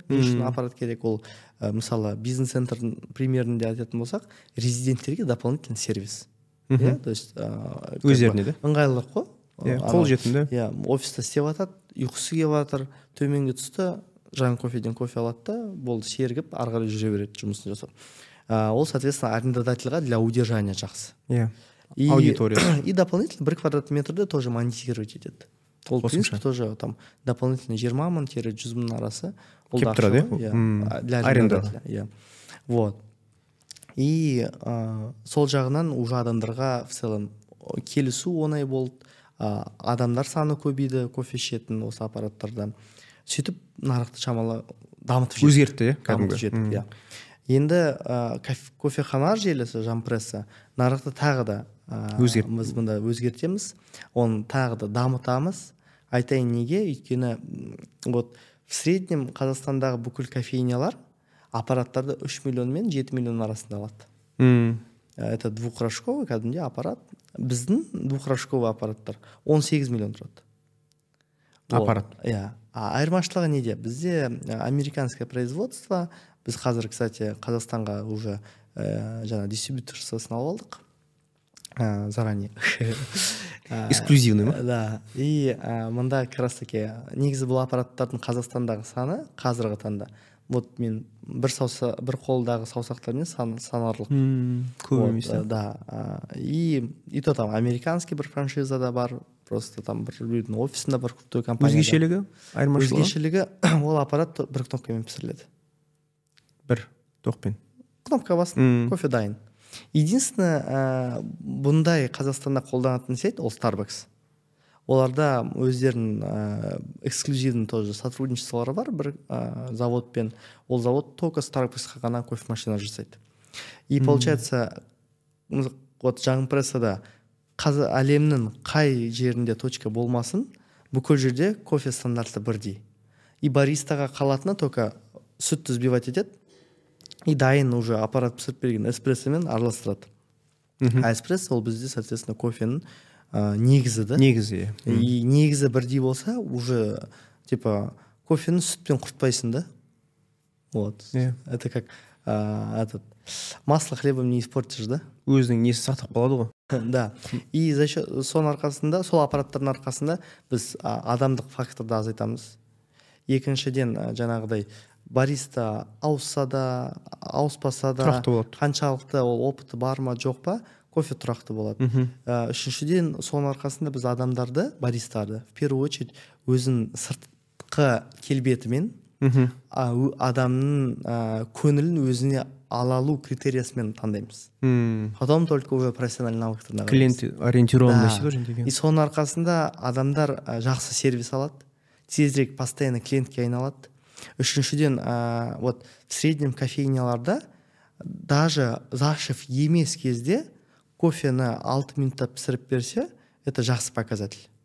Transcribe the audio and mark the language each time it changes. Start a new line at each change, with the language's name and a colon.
Kazakh: Не үшін аппарат керек ол, мысалы, бизнес-центрдің примерінде айтатын болсақ, резиденттерге
Russian: дополнительный сервис. То есть,
Kazakh: өздеріне де. Ыңғайлылық қой. Қол жетімді. Иә, офиста істеп атады, ұйқысы келіп атыр, төменге түсті, жаңа кофеден кофе алады да, болды сергіп, ары қарай жүре береді жұмысын жасап. Ол,
Russian: соответственно,
Kazakh: арендодательға
Russian: для удержания
Kazakh: жақсы. Иә. Аудитория.
Russian: И дополнительно 1 квадратный
Kazakh: метрді
Russian: тоже монетизировать
Kazakh: етеді. Ол принцип тоже там дополнительно 20 мың тері 100 мың арасы. Кеп тұрады,
Russian: для арендодателя. Вот.
Kazakh: И сол жағынан уже адамдарға в целом келісу оңай болды. Адамдар саны көбейді кофе ішетін осы аппараттардан. Сөйтіп нарықты шамалы дамытып жетті. Өзгертті, дамытып жетті. Енді кофехана желісі, жампресса, нарықты тағы да біз бұнда өзгертеміз. Оны тағы да дамытамыз. Айтайын неге? Өйткені
Russian: вот в среднем
Kazakh: Қазақстандағы бүкіл кофейнялар аппараттарды 3 миллион мен 7 миллион арасында алады.
Russian: Это двухрожковый, кәдімде аппарат.
Kazakh: Біздің двухрожковый аппараттар 18 миллион тұрады. Аппарат. Иә. Айырмашылығы неде? Бізде
Russian: американское производство.
Kazakh: Біз қазір, кстати, Қазақстанға уже жаңа дистрибьюторсын алып алдық.
Russian: Заранее. Эксклюзивный ма? Да.
Kazakh: И мында как раз таки негізі бұл аппараттардың Қазақстандағы саны қазіргі таңда. Вот мен бір қолдағы саусақтармен санарлық. Көп емес. Да.
Russian: И то там американский
Kazakh: бір франшизада бар, просто там бір үйдің офисында бар крутой компания. Өзгешелігі? Айырмашылығы? Өзгешелігі ол аппарат бір кнопкамен пісіріледі. Бір тоқпен. Кнопка басын, кофе дайын. Единственное, бұндай Қазақстанда қолданатын сайт ол Starbucks. Оларда өздерін эксклюзивный тоже сотрудничествалары бар бір завод пен. Ол завод только Starbucks-қа ғана кофе машина жасайды.
Russian: И получается, вот
Kazakh: жаңпрессада әлемнің қай жерінде точка болмасын, бүкіл жерде кофе стандарты бірдей. И баристаға қалатыны только сүт тізбивать етеді. И дайын уже аппарат пісіріп берген эспрессомен араластырады. А эспрессо ол бізде, соответственно, кофенің негізі да. Негізі. И негізі бірдей болса, уже типа кофені сүтпен құртпайсың да. Вот.
Russian: Это как этот масло хлебом не испортишь,
Kazakh: да? Өзінің несі сақтап қалады ғой.
Russian: Да.
Kazakh: И за счёт сол арқасында, сол аппараттардың арқасында біз адамдық факторды азайтамыз. Екіншіден жаңағыдай бариста ауысса да, ауыспаса да, қаншалықты ол опыты бар ма, жоқ па? Кофе тұрақты болады. Үшіншіден, соның арқасында біз адамдарды, баристарды,
Russian: в первую очередь,
Kazakh: өзің сыртқы келбетімен, адамның көңілін өзіне алалу критериясымен таңдаймыз.
Russian: Потом только уже профессиональный
Kazakh: навыктарын алады.
Russian: Клиент ориентированность деген.
Kazakh: И соның арқасында адамдар жақсы сервис алады, тезірек постоянно клиентке айналады. Үшіншіден,
Russian: вот в среднем
Kazakh: кофейняларда даже зашив емес кезде кофені 6 минутта пісіріп берсе, это жақсы показатель.